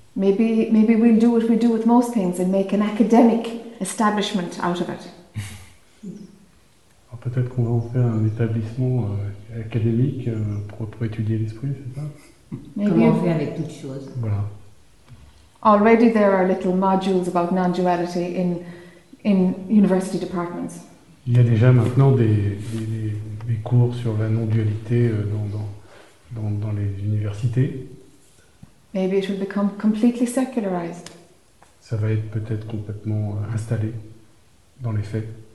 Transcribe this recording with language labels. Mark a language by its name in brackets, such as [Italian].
[English] Maybe we'll do what we do with most things and make an academic establishment out of it. [French] Alors peut-être qu'on va en faire un établissement académique pour étudier l'esprit, c'est ça? Comment on fait avec toutes choses. Voilà. [English] Already there are little modules about non-duality in university departments. [French] Il y a déjà maintenant des cours sur la non-dualité dans les universités. [English] Maybe it will become completely secularized. [French] Ça va être peut-être complètement installé dans les faits.